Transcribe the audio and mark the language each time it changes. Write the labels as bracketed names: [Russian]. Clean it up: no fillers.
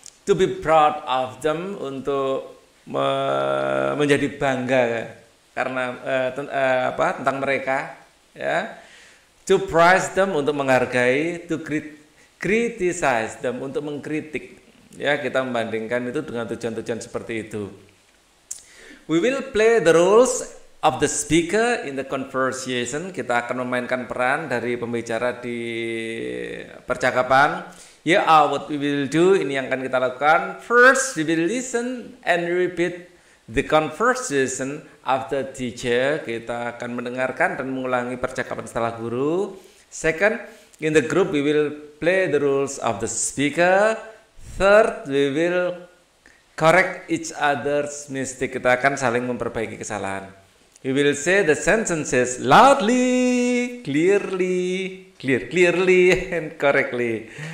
[English] To be proud of them, [Indonesian] untuk menjadi bangga karena tentang mereka. Ya. [English] To praise them, [Indonesian] untuk menghargai. [English] To criticize them, [Indonesian] untuk mengkritik. Ya, kita membandingkan itu dengan tujuan-tujuan seperti itu. [English] We will play the roles of the speaker in the conversation. [Indonesian] Kita akan memainkan peran dari pembicara di percakapan. [English] Yeah, what we will do, [Indonesian] ini yang akan kita lakukan. [English] First, we will listen and repeat the conversation after teacher. [Indonesian] Kita akan mendengarkan dan mengulangi percakapan setelah guru. [English] Second, in the group, we will play the roles of the speaker. Third, we will correct each other's mistake. [Indonesian] Kita akan saling memperbaiki kesalahan. [English] We will say the sentences loudly, clearly, clearly and correctly.